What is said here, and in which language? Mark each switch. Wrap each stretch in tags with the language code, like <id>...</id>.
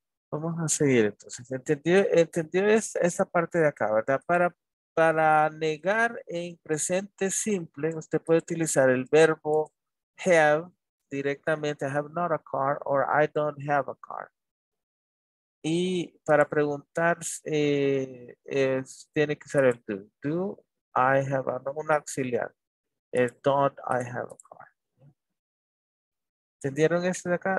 <es>Vamos a seguir entonces. ¿Entendió esa parte de acá, ¿verdad? Para negar en presente simple, usted puede utilizar el verbo have directamente.</es> <en>I have not a car, or I don't have a car.</en> <es>Y para preguntar, tiene que ser el do.</es> <en>Do I have</en> <es>un auxiliar.</es> <en>El don't I have a car.</en> <es>¿Entendieron esto de acá?</es>